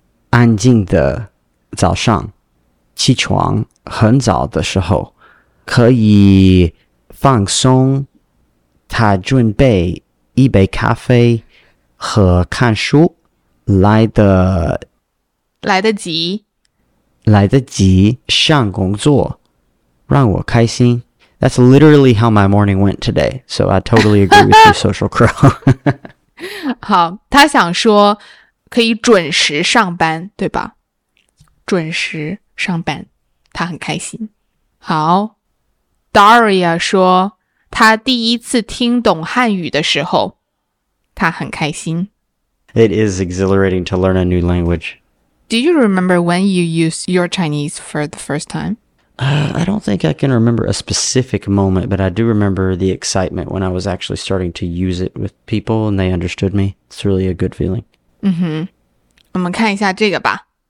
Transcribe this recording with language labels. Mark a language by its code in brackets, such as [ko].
[zh] 安静的早上，起床很早的时候，可以放松。他准备一杯咖啡和看书，来得及上工作，让我开心。 [en] That's literally how my morning went today. So I totally agree with you, Social Crow. [zh] 好，他想说可以准时上班，对吧？准时上班，他很开心。好， Daria 说他第一次听懂汉语的时候他很开心。 [en] It is exhilarating to learn a new language. Do you remember when you used your Chinese for the first time? I don't think I can remember a specific moment, but I do remember the excitement when I was actually starting to use it with people and they understood me. It's really a good feeling. [zh] 嗯哼，我们看一下这个吧。